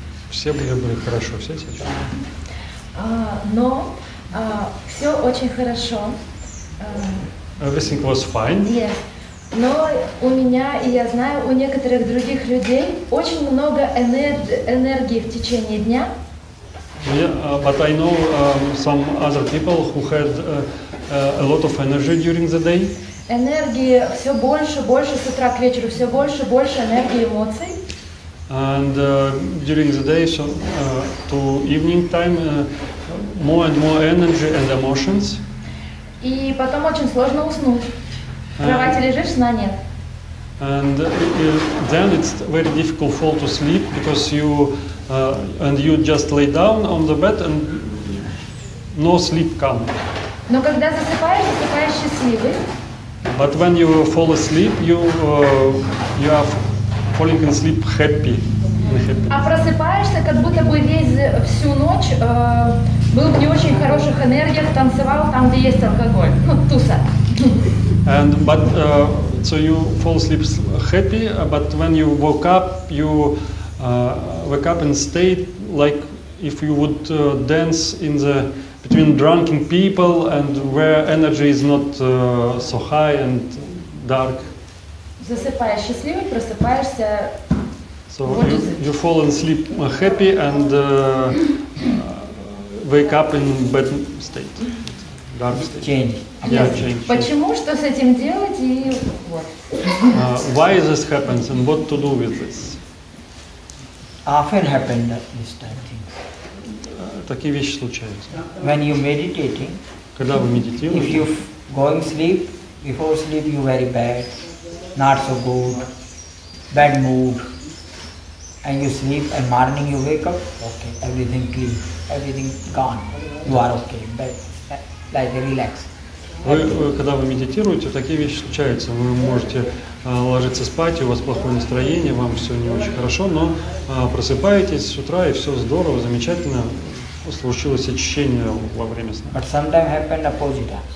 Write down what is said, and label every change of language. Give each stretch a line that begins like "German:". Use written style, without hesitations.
Russian: Все были хорошо, все сейчас. Но все очень хорошо.
English: Everything was fine. Yes.
Russian: Но у меня, и я знаю, у некоторых других людей очень много энергии в течение дня.
English: But I know some other people who had a lot of energy during the day.
Russian: Энергии все больше, больше с утра к вечеру, все больше, больше энергии, эмоций.
English: And during the day, so to evening time, more and more energy and emotions.
Russian: И потом очень сложно уснуть. В кровати лежишь, сна нет.
English: And then it's very difficult fall to sleep because you and you just lay down on the bed and no sleep come.
Russian: Но когда засыпаешь, засыпаешь счастливый.
English: But when you fall asleep, you are falling asleep happy.
Russian: А просыпаешься, как будто бы весь всю ночь был в не очень хороших энергиях, танцевал там, где есть алкоголь, ну, туса.
English: And but so you fall asleep happy, but when you woke up, you wake up in state like if you would dance in the between drunken people and where energy is not so high and dark.
Russian: Засыпаешь счастливый, просыпаешься.
English: So you fall asleep happy and wake up in bad state.
Russian: Почему, что с этим делать и вот.
English: Why this happens and what to do with this? Often happen that this type things.
Russian: Такие вещи случаются.
English: When you meditating.
Russian: Когда вы медитируете.
English: If you going sleep, before sleep you very bad, not so good, bad mood, and you sleep and morning you wake up, okay, everything clean, everything gone, you are okay, bad. Like relax.
Russian: Вы когда вы медитируете, такие вещи случаются. Вы можете ложиться спать, у вас плохое настроение, вам все не очень хорошо, но просыпаетесь с утра и все здорово, замечательно. Случилось очищение во время сна.
English: But sometimes happens opposite.